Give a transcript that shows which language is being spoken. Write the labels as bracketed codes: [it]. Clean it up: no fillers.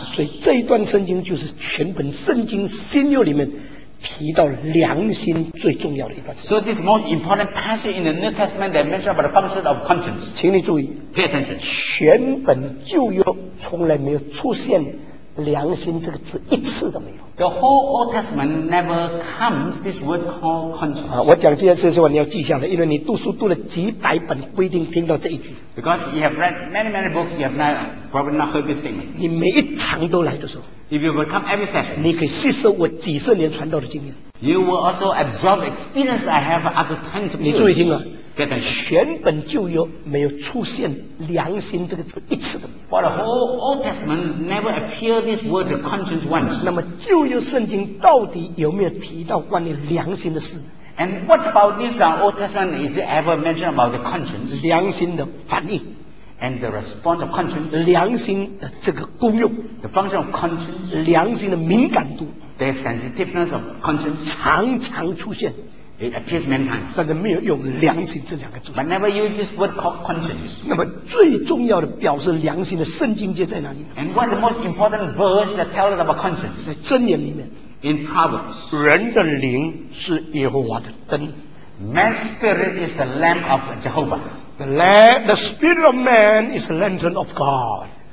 [zh] 所以这一段圣经就是全本圣经新约里面。提到良心最重要的一段。 [en] So this most important passage in the New Testament that mentions about the function of conscience. [zh] 请你注意。 [en] Pay attention. [zh] 全本旧约从来没有出现良心这个字一次都没有。 [en] The whole Old Testament never comes this word called conscience. [zh] 我讲这件事的时候你要记下来，因为你读书读了几百本，不一定听到这一句。 [en] Because you have read many many books, you have not probably not heard this statement. [zh] 你每一堂都来的时候。 [en] If you will come every session, [zh] 你可以吸收我几十年传道的经验。 [en] You will also absorb experience I have after 10 years. [zh] 你注意听啊。 [en] Get that. [zh] 全本旧约没有出现良心这个字一次的。 [en] For the whole Old Testament never appeared this word of conscience once. [zh] 那么旧约圣经到底有没有提到关于良心的事？ [en] And what about this Old Testament? Is it ever mentioned about the conscience? [zh] 良心的反应。 [en] And the response of conscience, [zh] 良心的这个功用 [en] the function of conscience, [zh] 良心的敏感度 [en] the sensitiveness of conscience, [zh] 常常出现 [en] It appears many times. [zh] 但是没有用良心这两个字。 [en] But never use this word called conscience. [zh] 那么最重要的表示良心的圣经界在哪里呢？ [en] And what's the most important verse that tells us about conscience? [zh] 在箴言里面。 [en] In Proverbs. [zh] 人的灵是耶和华的灯。 [en] Man's spirit is the lamp of Jehovah. The spirit of man is the lantern of God.